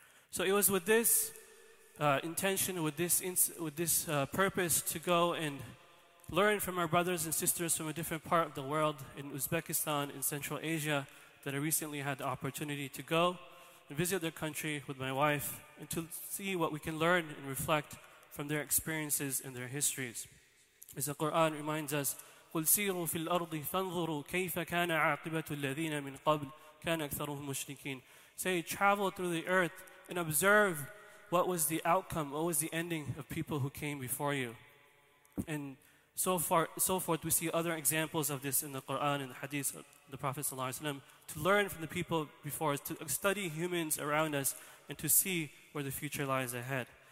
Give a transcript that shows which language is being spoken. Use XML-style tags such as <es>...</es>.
<en>So it was with this intention, with this purpose to go and learn from our brothers and sisters from a different part of the world in Uzbekistan, in Central Asia, that I recently had the opportunity to go and visit their country with my wife and to see what we can learn and reflect from their experiences and their histories. As the Quran reminds us,</en> <ar>قُلْ سِيرُوا فِي الْأَرْضِ فَانْظُرُوا كَيْفَ كَانَ عَاقِبَةُ الَّذِينَ مِنْ قَبْلِ كَانَ أَكْثَرُهُمْ مُشْرِكِينَ.</ar> <en>Say, travel through the earth and observe what was the outcome, what was the ending of people who came before you. And so far, so forth, we see other examples of this in the Quran and the Hadith of the Prophet ﷺ, to learn from the people before us, to study humans around us, and to see where the future lies ahead.</en>